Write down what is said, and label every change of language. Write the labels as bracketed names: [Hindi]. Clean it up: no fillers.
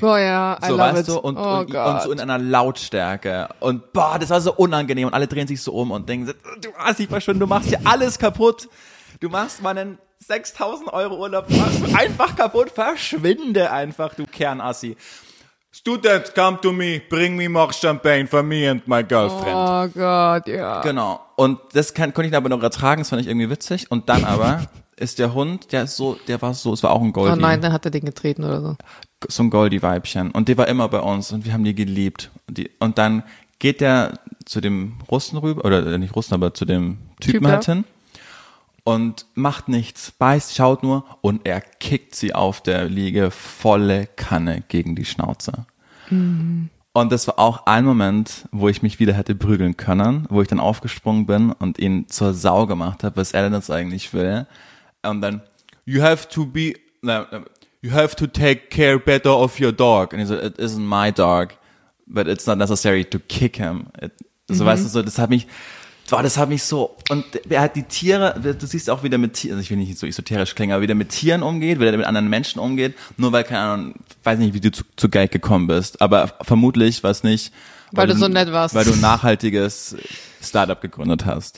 [German] Oh ja, so, [English] I love [German] weißt [English] it. [German] Du? Und, oh und, Gott. Und so in einer Lautstärke. Und boah, das war so unangenehm. Und alle drehen sich so um und denken, du hast dich verschwunden, du machst hier alles kaputt. Du machst meinen 6.000 Euro Urlaub einfach kaputt. Verschwinde einfach, du Kernassi. [English] Student, come to me, bring me more champagne for me and my girlfriend. [German] Oh Gott, ja. Yeah. Genau. Und das konnte ich aber noch ertragen, das fand ich irgendwie witzig. Und dann aber ist der Hund, es war auch ein Goldie. Oh nein, dann hat er den getreten oder so. So ein Goldie-Weibchen. Und der war immer bei uns und wir haben die geliebt. Und dann geht der zu dem Russen rüber, oder nicht Russen, aber zu dem Typen halt hin. Und macht nichts, beißt, schaut nur und er kickt sie auf der Liege volle Kanne gegen die Schnauze. Mhm. Und das war auch ein Moment, wo ich mich wieder hätte prügeln können, wo ich dann aufgesprungen bin und ihn zur Sau gemacht habe, was er denn jetzt eigentlich will. Und dann, [English] you have to take care better of your dog. [German] Und ich so, [English] it isn't my dog, but it's not necessary to kick him. [German] So weißt du, so, das hat mich... Boah, das hat mich so, und er hat die Tiere, du siehst auch, wie der mit Tieren, also ich will nicht so esoterisch klingen, aber wie der mit Tieren umgeht, wie der mit anderen Menschen umgeht, nur weil, keine Ahnung, weiß nicht, wie du zu Geld gekommen bist, aber vermutlich war es nicht. Weil du so nett warst. Weil du ein nachhaltiges Startup gegründet hast.